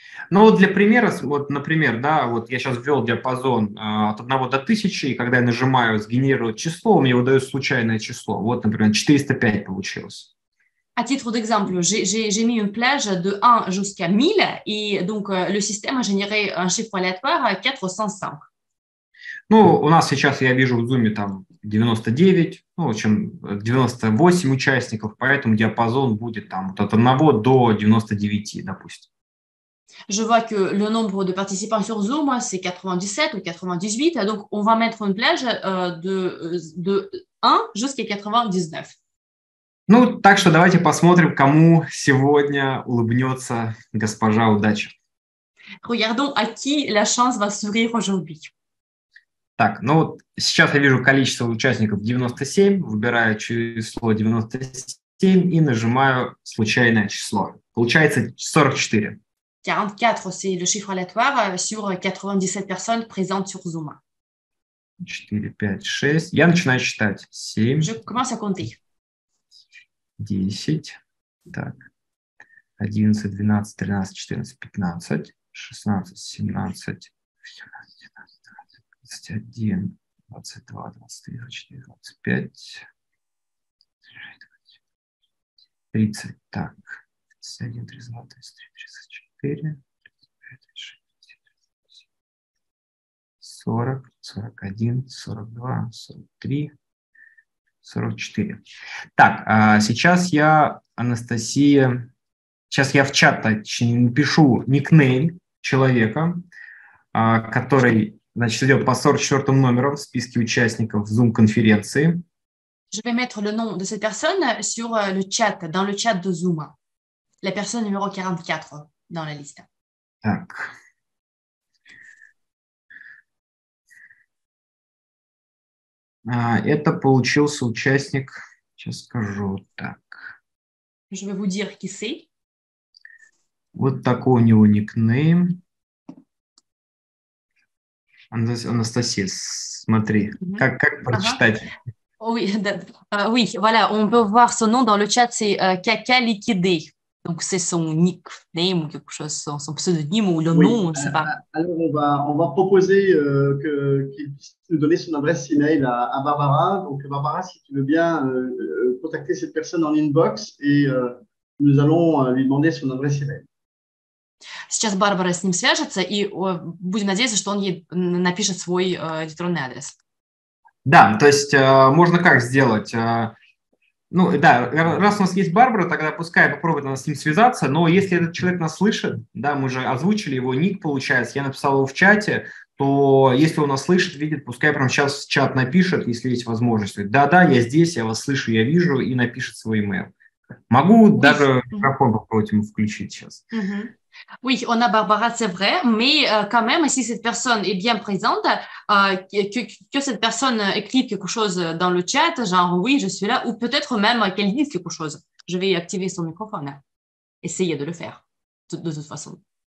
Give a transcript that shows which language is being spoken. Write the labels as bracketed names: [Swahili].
[Russian] Ну, для примера, вот, например, да, вот я сейчас ввел диапазон от 1 до 1000, и когда я нажимаю «сгенерировать число», мне выдают случайное число. Вот, например, 405 получилось. [French] À titre d'exemple, j'ai mis une plage de 1 jusqu'à 1000 et donc le système a généré un chiffre aléatoire 405. [Russian] Ну, у нас сейчас, я вижу, в Zoom там 99, ну, в общем, 98 участников, поэтому диапазон будет там вот от 1 до 99, допустим. [French] Je vois que le nombre de participants sur Zoom, c'est 97 ou 98, donc on va mettre une plage de 1 jusqu'à 99. [Russian] Ну, так что давайте посмотрим, кому сегодня улыбнется госпожа удача. [French] Regardons à qui la chance va sourire aujourd'hui. [Russian] Так, ну, сейчас я вижу количество участников 97, выбираю число 97 и нажимаю случайное число. Получается 44. [French] 44, c'est le chiffre aléatoire sur 97 personnes présentes sur Zoom. [Russian] 4, 5, 6. Я начинаю считать. 7, [French] Je commence à compter. [Russian] 10, так, 11, 12, 13, 14, 15, 16, 17, 21, 22, 23, 24, 25, 30, так, 31, 32, 33, 34, 40, 41, 42, 43, 44. Так, сейчас я, Анастасия, сейчас я в чат напишу никнейм человека, который, значит, идет по 44 номерам в списке участников Zoom-конференции. [French] Je vais mettre le nom de cette personne sur le chat, dans le chat de Zoom. La personne numéro 44 dans la liste. Так. Это получился участник, сейчас скажу так. Je vais vous dire qui c'est. Вот такой у него никнейм. Анастасия, смотри, как прочитать? Oui, voilà, on peut voir son nom dans le chat, c'est Caca Liquidé. Donc, c'est son nickname ou quelque chose, son pseudonyme ou le Oui, nom, on ne sait pas. alors on va proposer qu'il puisse nous donner son adresse email à Barbara. Donc, Barbara, si tu veux bien contacter cette personne en inbox et nous allons lui demander son adresse email. [Russian] Сейчас Барбара с ним свяжется, и будем надеяться, что он ей напишет свой электронный адрес. Да, то есть можно как сделать? Ну, да, раз у нас есть Барбара, тогда пускай попробует она с ним связаться, но если этот человек нас слышит, да, мы же озвучили его ник, получается, я написал его в чате, то если он нас слышит, видит, пускай прямо сейчас чат напишет, если есть возможность. Да, я здесь, я вас слышу, я вижу, и напишет свой email. Могу даже микрофон попробовать ему включить сейчас. [French] Oui, on a Barbara, c'est vrai, mais quand même, si cette personne est bien présente, que cette personne écrit quelque chose dans le chat, genre oui, je suis là, ou peut-être même qu'elle dise quelque chose. Je vais activer son microphone, hein. Essayer de le faire, de toute façon.